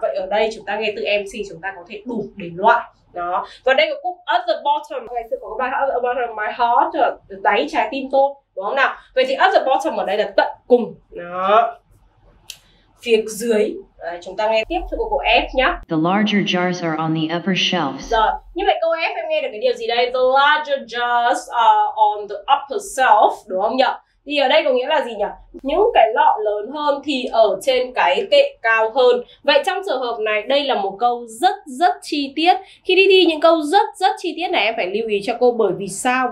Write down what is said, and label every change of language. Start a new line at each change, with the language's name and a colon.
Vietnamese: Vậy ở đây chúng ta nghe từ empty chúng ta có thể đủ để loại. Đó. Và đây có cúp at the bottom. Ngày xưa có bài
English: at the bottom my heart,
Vietnamese: đáy trái tim tôi, đúng không nào? Vậy thì at the bottom ở đây là tận cùng. Đó. Phía dưới. Đấy, chúng ta nghe tiếp theo của câu F nhá.
English: The larger jars are on the upper shelves.
Vietnamese: Rồi. Như vậy câu F em nghe được cái điều gì đây?
English: The larger jars are on the upper shelf,
Vietnamese: đúng không nhỉ? Thì ở đây có nghĩa là gì nhỉ? Những cái lọ lớn hơn thì ở trên cái kệ cao hơn. Vậy trong trường hợp này, đây là một câu rất rất chi tiết. Khi đi thi những câu rất rất chi tiết này em phải lưu ý cho cô. Bởi vì sao?